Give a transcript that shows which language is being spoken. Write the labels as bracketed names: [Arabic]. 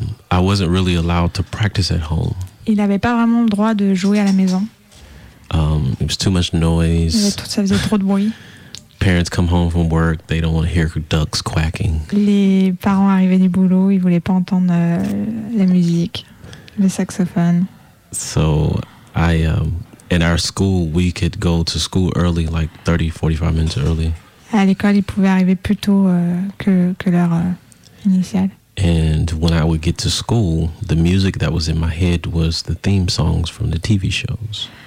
[English] I wasn't really allowed to practice at home. [French] Il n'avait pas vraiment le droit de jouer à la maison. [English] It was too much noise. [French] Ça faisait trop de bruit. [English] Parents come home from work, they don't want to hear ducks quacking. [French] Les parents arrivaient du boulot, ils voulaient pas entendre la musique, le saxophone. [English] So I in our school we could go to school early, like 30-45 minutes early. [French] À l'école, ils pouvaient arriver plus tôt que l'heure initiale. [English] And when I would get to school, the music that was in my head was the theme songs from the TV shows.